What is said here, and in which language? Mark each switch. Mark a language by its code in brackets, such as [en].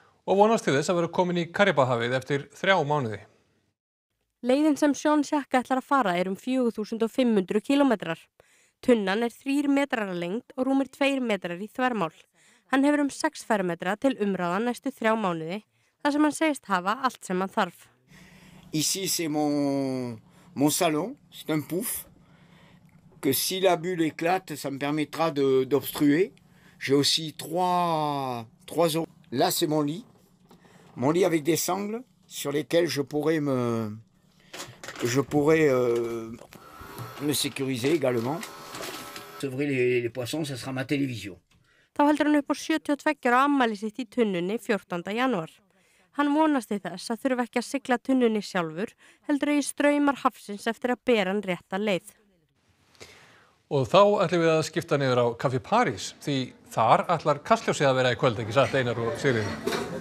[is] og vonast til þess að vera komin í Karibahafið eftir 3 mánuði. Leiðin sem Sean Jack ætlar að fara 4500 kilometrar. Tunnan 3 metrar að lengd og rúmir 2 metrar í þvermál. Hann hefur 6 fermetra til umráða næstu 3 mánuði, þar sem hann segist hafa allt sem hann þarf. [fr] Ici c'est mon salon, c'est un pouf, que si la bulle éclate, ça me permettra d'obstruer. J'ai aussi 3 eaux. Là c'est mon lit avec des sangles sur lesquelles je pourrais me sécuriser également. S'ouvrir les poissons, ça sera ma télévision. [is] Þá heldur hann upp á 72 ára afmæli sitt í tunnunni 14. janúar. Hann vonast til þess að þurfa ekki að sigla tunnunni sjálfur, heldur í straumar hafsins eftir að bera hann rétta leið. Og þá ætlum við að skipta niður á Café Paris, því þar ætlar Kastljósið að vera í kvöld, ekki satt Einar og Sigríður?